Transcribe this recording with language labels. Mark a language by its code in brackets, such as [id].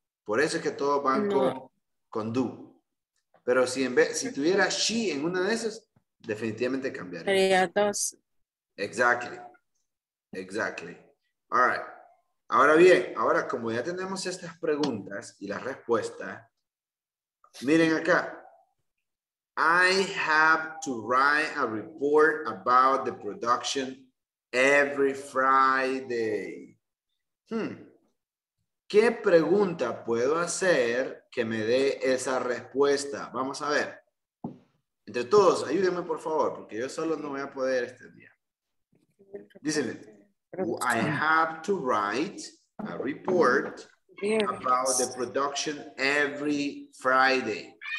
[es] Por eso es que todos van con do. Pero si tuviera she en una de esas, definitivamente cambiaría. Sería dos. [en] Exactly. All right. [es] Ahora bien, ahora como ya tenemos estas preguntas y la respuesta, miren acá. [en] I have to write a report about the production every Friday. [es] ¿Qué pregunta puedo hacer que me dé esa respuesta? Vamos a ver. Entre todos, ayúdenme por favor, porque yo solo no voy a poder este día. Díselme. [en] I have to write a report about the production every Friday.